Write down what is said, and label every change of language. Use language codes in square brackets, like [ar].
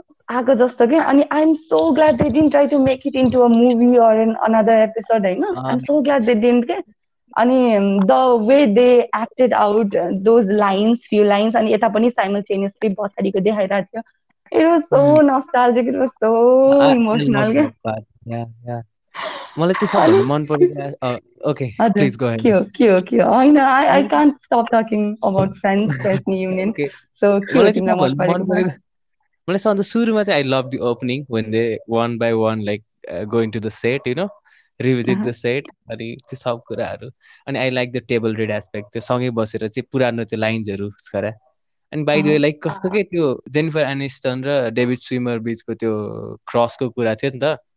[ne] आएको जस्तो के अनि [en] I am so glad they didn't try to make it into a movie or an another episode होइन I am so glad they didn't के अनि the way they acted out those lines few lines [ne] अनि यता पनि simultaneously पछाडिको देखाइरहेको थियो [en] it was so nostalgic it was so emotional के [ne] मलाई चाहिँ सबभन्दा मन परेको [en] okay please go ahead [ne] के हो के हो होइन [en] I can't stop talking about friends friends union so के हो [ne] मलाई सबभन्दा सुरुमा चाहिँ [en] I love the opening when they one by one like going to the set [ne] you know revisit the set अनि त्यो सब कुराहरू अनि [en] I like the table read aspect [ne] त्यो सँगै बसेर चाहिँ पुरानो त्यो लाइन्सहरू गरा अनि बाई द वे लाइक कस्तो के त्यो जेनिफर एनिस्टन र डेभिड स्विमर बिचको त्यो क्रसको कुरा थियो नि त